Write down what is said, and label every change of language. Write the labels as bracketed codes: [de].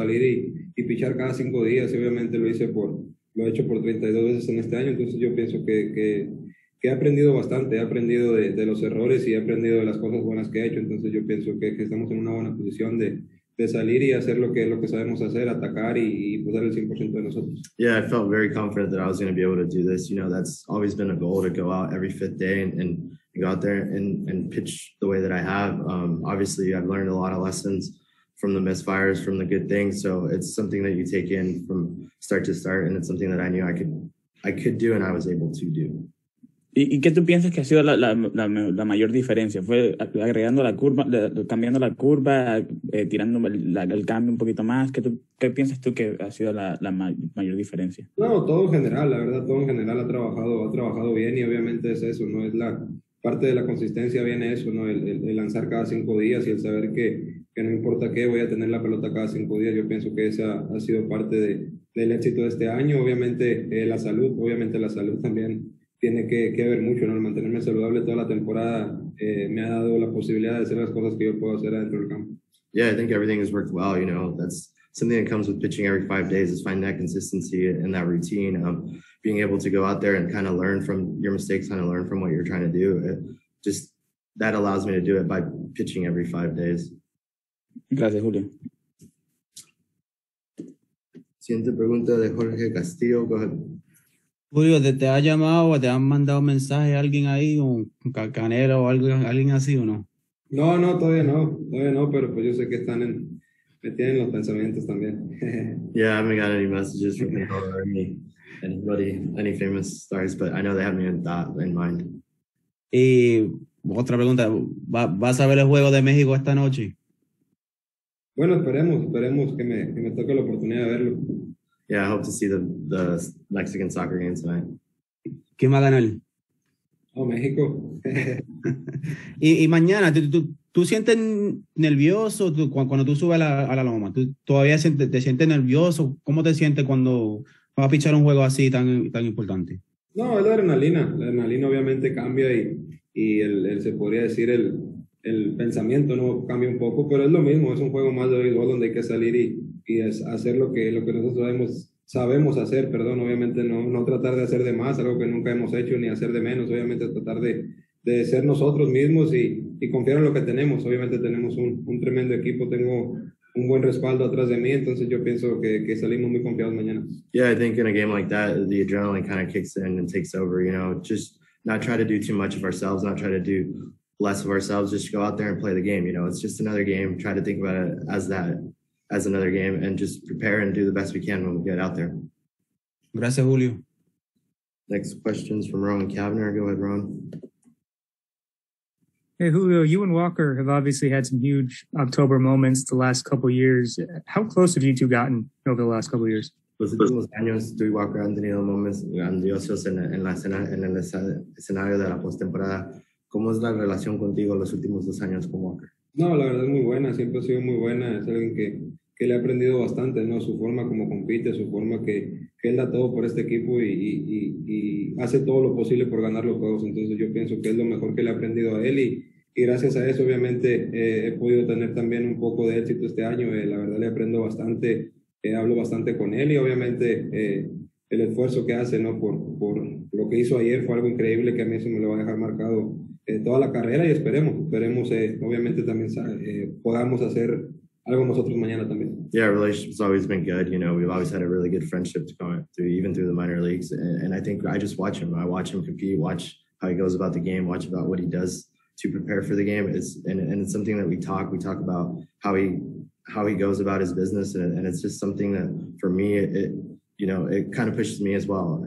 [es] Salir y pichar cada 5 días, y obviamente lo he hecho por 32 veces en este año. Entonces yo pienso que he aprendido bastante, he aprendido de los errores y he aprendido de las cosas buenas que he hecho. Entonces yo pienso que estamos en una buena posición de salir y hacer lo que sabemos hacer, atacar y dar el 100% de nosotros. [en] Yeah, I felt very confident that I was going to be able to do this. You know, that's always been a goal to go out every fifth day and go out there and pitch the way that I have. Obviously, I've learned a lot of lessons from the misfires, from the good things. So it's something that you take in from start to start, and it's something that I knew I could do and I was able to do. [es] ¿Y qué tú piensas que ha sido la mayor diferencia? ¿Fue agregando la curva, cambiando la curva, tirando el cambio un poquito más? ¿Qué piensas tú que ha sido la mayor diferencia? No, todo en general, la verdad, todo en general ha trabajado bien y obviamente es eso, ¿no? Es la parte de la consistencia viene eso, ¿no? El lanzar cada 5 días y el saber que no importa qué, voy a tener la pelota cada 5 días. Yo pienso que esa ha sido parte del éxito de este año. Obviamente, la salud, obviamente la salud también tiene que ver mucho, ¿no? El mantenerme saludable toda la temporada, me ha dado la posibilidad de hacer las cosas que yo puedo hacer adentro del campo. [en] Yeah, I think everything has worked well. You know, that's something that comes with pitching every 5 days is finding that consistency in that routine of being able to go out there and kind of learn from your mistakes, kind of learn from what you're trying to do. Just that allows me to do it by pitching every 5 days. [es] Gracias, Julio. Siguiente pregunta de Jorge Castillo. [en] Go ahead. [es] Julio, ¿te ha llamado o te han mandado mensaje a alguien ahí, un canero o algo, alguien así o no? No, no, todavía no, todavía no, pero pues yo sé que están en, me tienen los pensamientos también. [en] Yeah, I haven't got any messages from people or anybody, any famous stars, but I know they have me in thought in mind. [es] Y otra pregunta, ¿vas a ver el juego de México esta noche? Bueno, esperemos que me toque la oportunidad de verlo. [en] Yeah, I hope to see the Mexican soccer game tonight. [es] ¿Quién va a ganar? Oh, México. Y mañana, ¿tú sientes nervioso cuando tú subes a la loma? ¿Tú todavía te sientes nervioso? ¿Cómo te sientes cuando vas a pichar un juego así tan importante? No, es la adrenalina obviamente cambia y el se podría decir el pensamiento no cambia un poco, pero es lo mismo, es un juego más de béisbol donde hay que salir y es hacer lo que nosotros sabemos hacer, perdón, obviamente no tratar de hacer de más, algo que nunca hemos hecho, ni hacer de menos, obviamente tratar de ser nosotros mismos y confiar en lo que tenemos. Obviamente tenemos un tremendo equipo, tengo un buen respaldo atrás de mí, entonces yo pienso que salimos muy confiados mañana. [en] Yeah, I think in a game like that, the adrenaline kind of kicks in and takes over. You know, just not try to do too much of ourselves, not try to do less of ourselves. Just go out there and play the game. You know, it's just another game. Try to think about it as that, as another game, and just prepare and do the best we can when we get out there. [es] Gracias, Julio. [en] Next questions from Rowan Kavner. Go ahead, Rowan. Hey Julio, you and Walker have obviously had some huge October moments the last couple of years. How close have you two gotten over the last couple of years? [es] Los últimos años, tú y Walker han tenido momentos grandiosos en el escenario de la postemporada. ¿Cómo es la relación contigo los últimos 2 años con Walker? No, la verdad es muy buena, siempre ha sido muy buena. Es alguien que le ha aprendido bastante, ¿no? Su forma como compite, su forma que él da todo por este equipo y hace todo lo posible por ganar los juegos. Entonces yo pienso que es lo mejor que le ha aprendido a él y gracias a eso obviamente he podido tener también un poco de éxito este año. La verdad le aprendo bastante, hablo bastante con él y obviamente el esfuerzo que hace, ¿no? Por lo que hizo ayer fue algo increíble que a mí eso me lo va a dejar marcado toda la carrera y esperemos, obviamente también podamos hacer algo nosotros mañana también. [en] Yeah, our relationship's always been good. You know, we've always had a really good friendship to come through, even through the minor leagues. And I think I just watch him. I watch him compete, watch how he goes about the game, watch about what he does to prepare for the game. It's something that we talk about how he goes about his business. And it's just something that for me, you know, it kind of pushes me as well.